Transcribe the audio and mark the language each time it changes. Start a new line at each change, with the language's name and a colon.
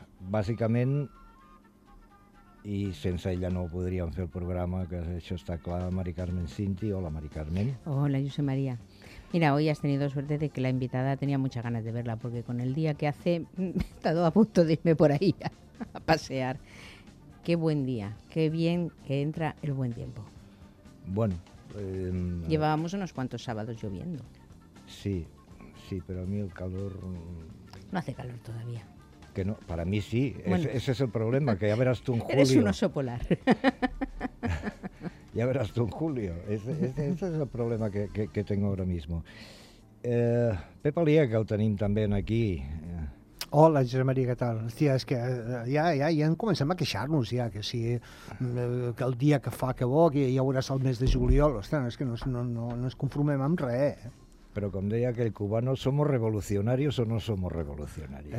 Catalan: Bàsicament, i sense ella no podríem fer el programa, que això està clar, Mari Carmen Cinti. Hola, Mari Carmen. Hola, Josep Maria.
Spanish: Mira, hoy has tenido suerte de que la invitada tenía muchas ganas de verla, porque con el día que hace he estado a punto de irme por ahí a pasear. Qué buen día, qué bien que entra el buen tiempo. Bueno. Llevábamos unos cuantos sábados lloviendo. Sí, sí, pero a mí el calor... No hace calor todavía. Que no, para mí sí, bueno. Ese es el problema, que ya verás tú en julio. Eres un oso polar. Ya verás tú en julio, ese es el problema que tengo ahora mismo.
Catalan: Pep Alia, que el tenim també aquí... Hola, Josep Maria, què tal? Hòstia, és que ja comencem a queixar-nos, ja, que si que el dia que fa que bo, que ja veuràs el mes de juliol, ostres, és que no ens conformem amb res. Però com deia aquell cubano,
Spanish: ¿somos revolucionarios o no somos revolucionarios?